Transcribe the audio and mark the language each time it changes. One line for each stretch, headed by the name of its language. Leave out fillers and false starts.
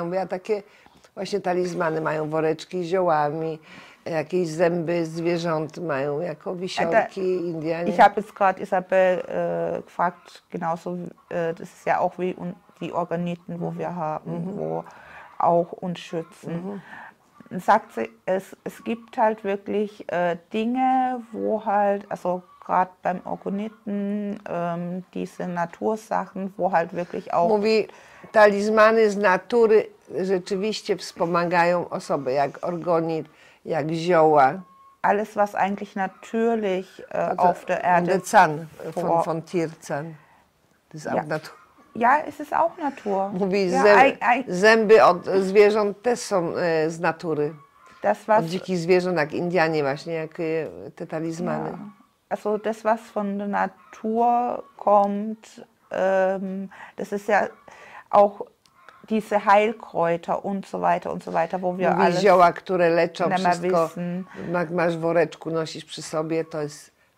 Polish: Ja mówię, a takie właśnie talizmany mają woreczki z ziołami, jakieś zęby zwierząt mają jako wisiorki, Indianie.
German: Ich habe jetzt gerade Isabel gefragt, genauso, das ist ja auch wie die Organiten, wo wir haben, wo auch uns schützen. Mhm. Sagt sie, es gibt halt wirklich Dinge, wo halt, also gerade beim Organiten, diese Natursachen, wo halt wirklich auch.
Polish: Mówi, Talizmany z natury rzeczywiście wspomagają osoby, jak Organit, jak Zioła.
German: Alles, was eigentlich natürlich auf der Erde. Der Zahn von Tierzahn. Das ist auch Natur. Ja, es ist auch Natur.
Polish: Mówi, ja, zęby od zwierząt też są z natury.
German: Das, was,
Polish: od dzikich zwierząt, jak Indianie właśnie, jak te talizmany.
German: Ja. Also das, was von der Natur kommt, das ist ja auch diese Heilkräuter und so weiter, wo wir
Polish: mówi,
German: alles
Polish: zioła, które leczą wszystko, jak masz woreczku, nosisz przy sobie, to jest...